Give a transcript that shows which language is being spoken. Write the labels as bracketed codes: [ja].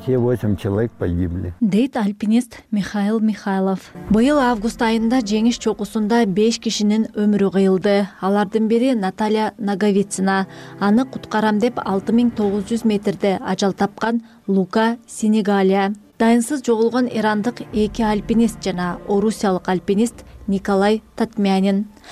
[ru] Все 8 человек погибли. [ky] Дейт альпинист Михаил Михайлов. Быйыл август айында жеңиш чокусунда 5 кишинин өмүрү кыйылды. Алардын бири Наталья Ногавицина. Аны куткарам деп 6900 метрде ажал тапкан Лука Синегалия. дайынсыз жоголгон ирандык эки альпинист жана орусиялык альпинист Николай Татмянин.